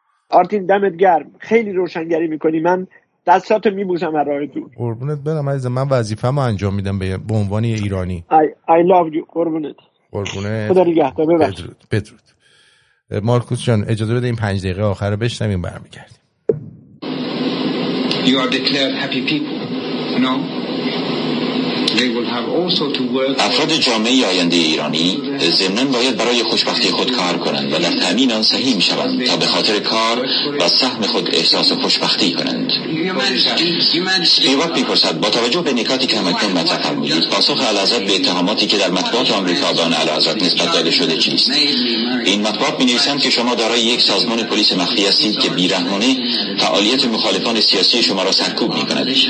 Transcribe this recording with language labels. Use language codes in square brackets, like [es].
[fa] آرتین دمت گرم، خیلی روشنگری میکنی، من دستاتو میبوسم از راه دور. قربونت برم عزیزم، من وظیفه‌مو انجام میدم به عنوان ایرانی. [en] I love you. [fa] قربونت. قربونه خدا نگهدار ببخشید بدرود مارکوس جان اجازه بده این 5 دقیقه آخر رو بشنویم برمیگردیم [en] You are declared happy people no They will have also to work [fa] افراد جامعه آینده ایرانی ضمناً باید برای خوشبختی خود کار کنند و در تأمین آن سهیم می‌شوند تا به خاطر کار و سهم خود احساس خوشبختی کنند. ایوان می‌پرسد با توجه به نکاتی که همکنون مطرح فرمودید پاسخ اعلیحضرت به اتهاماتی که در مطبوعات آمریکا به آن اعلیحضرت نسبت داده شده چیست؟ این مطبوعات می‌نویسند که شما دارای یک سازمان پلیس مخفی هستید که بی‌رحمانه فعالیت مخالفان سیاسی شما را سرکوب می‌کند.